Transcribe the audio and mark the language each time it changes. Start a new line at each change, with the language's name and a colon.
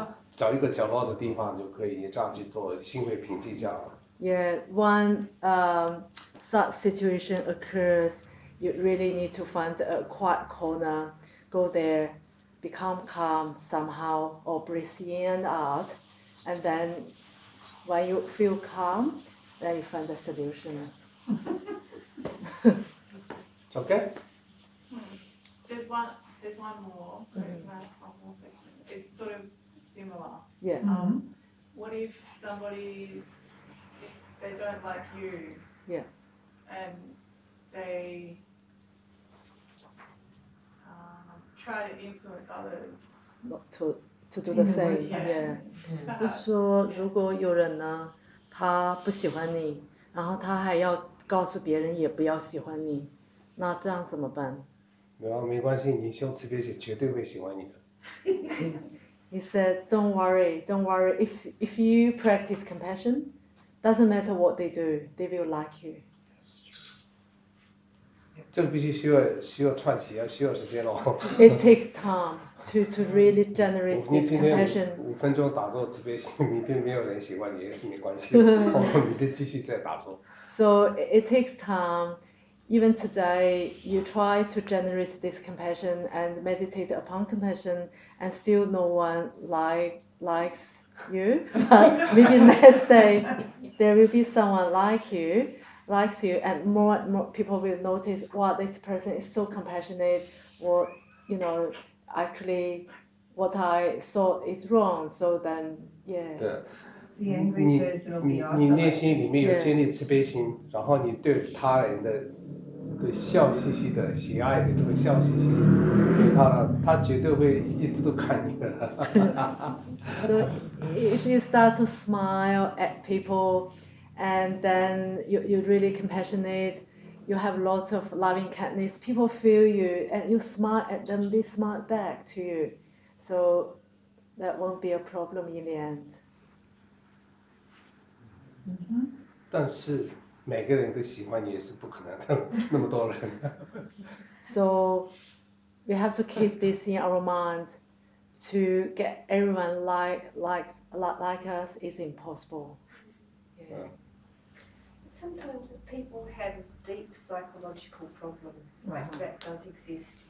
Chinese: 找一个角落的地方就可以这样去做，心会平静下来。
English: Yeah, one such situation occurs, you really need to find a quiet corner, go there, become calm somehow, or breathe in and out, and then when you feel calm, then you find the solution. It's okay. There's one, more section. It's sort of. Similar. Yeah. What if somebody, if they don't like you, yeah, and they try to influence others, not to do the same. Yeah.
Chinese: 就说如果有人呢，他不喜欢你，然后他还要告诉别人也不要喜欢你，那这样怎么办？没关系，你修慈悲心绝对会喜欢你的。
English: He said, don't worry, don't worry. If you practice compassion, doesn't matter what they do, they will like you.
Chinese: 这必须需要串习，需要时间哦。
English: It takes time to really generate this compassion.
Chinese: 五分钟打坐慈悲心，明天没有人喜欢你也是没关系，明天继续再打坐。
English: So it takes time. Even today, you try to generate this compassion and meditate upon compassion. And still no one likes you, but maybe next day there will be someone likes you, and more and more people will notice, wow, this person is so compassionate, or, you know, actually what I thought is wrong, so then, yeah.
Chinese: 对 你内心里面有建立慈悲心、
English: yeah.
Chinese: 然后你对他人的对笑嘻嘻的喜爱的这种笑嘻嘻给他他绝对会一直都看你的
English: So if you start to smile at people and then you're really compassionate you have lots of loving kindness people feel you and you smile at them they smile back to you so that won't be a problem in the end、 mm-hmm.
Chinese: 但是每个人都喜欢你也是不可能的，那么多人。
English: So, we have to keep this in our mind. To get everyone like us is impossible. Yeah. Sometimes people have deep psychological problems, like that does exist